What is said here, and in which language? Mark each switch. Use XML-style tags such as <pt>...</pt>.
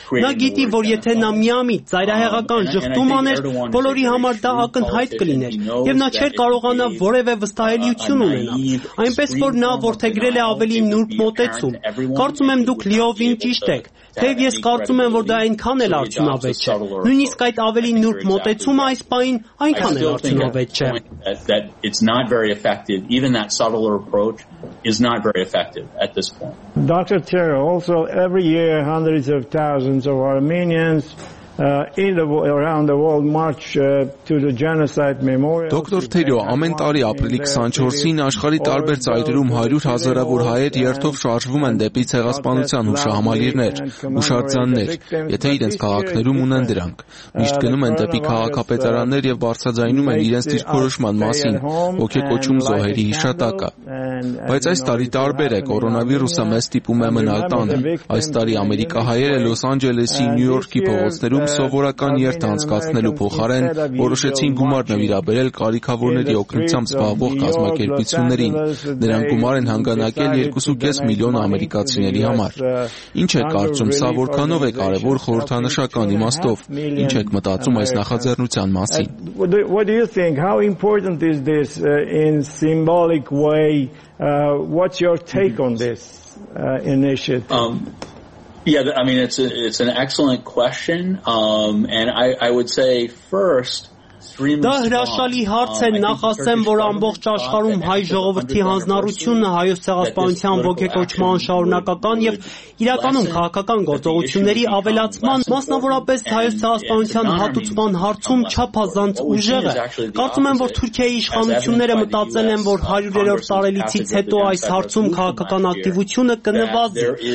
<hy>Նա գիտի, որ եթե նա միամիտ ծայրահեղ կան ժխտում աներ, բոլորի համար դա ակնհայտ կլիներ, եւ նա չէր կարողանա որևէ վստահելիություն ունենալ, այնպես որ նա որթեգրել է ավելի նուրբ մոտեցում։ Կարծում եմ, դուք լիովին ճիշտ եք, թեև ես կարծում եմ, որ դա այնքան էլ արդյունավետ չէ, նույնիսկ այդ ավելի նուրբ մոտեցումը այս պահին այնքան էլ արդյունավետ չէ։</hy> <en>It's not very effective, even that subtler approach is not very effective at this point. Dr. Terry, also every year hundreds of thousands of Armenians around the world march to the genocide memorial. Dr.</en> <hy>Terio, ամեն տարի ապրիլի 24-ին աշխարհի տարբեր ծայրերում 100 հազարավոր հայեր երթով շարժվում են դեպի ցեղասպանության հուշահամալիրներ, հուշարձաններ, եթե իրենց քաղաքներում ունեն դրանք։ Միշտ գնում են դեպի քաղաքապետարաններ եւ բարձրաձայնում են իրենց դիրքորոշման մասին, ոգեկոչում զոհերի հիշատակը։ Բայց այս տարի տարբեր է, կորոնավիրուսը մեզ ստիպում է մնալ տանը։ Այս տարի Ամերիկա հայերը Լոս Անջելեսի, Նյու Յորքի փողոցներում սովորական երթ անցկացնելու փոխարեն որոշեցին գումար նվիրաբերել կարիքավորների օգնությամբ զբաղվող կազմակերպություններին, նրան գումար են հանգանակել 2.5 միլիոն ամերիկացիների համար։ Ինչ է կարծում, սա որքանով է կարևոր խորհրդանշական իմաստով, ինչ եք մտածում այս նախաձեռնության մասին։</hy> <en>What do you think, how important is this in symbolic way, what's your take on this initiative? Yeah, I mean it's an excellent question, and I would say first</en> <hy>Դա հրաշալի հարց է, նախ ասեմ, որ ամբողջ աշխարհում հայ ժողովրդի հանձնառությունը հայոց ցեղասպանության ոգեկոչման շարունակական եւ իրականում քաղաքական գործողությունների ավելացման, մասնավորապես հայոց ցեղասպանության հատուցման հարցում չափազանց ուժեղ է։ Կարծում եմ, որ Թուրքիայի իշխանությունները մտածել են, որ 100-երորդ տարելիցից հետո այս հարցում քաղաքական ակտիվությունը կնվազի,</hy>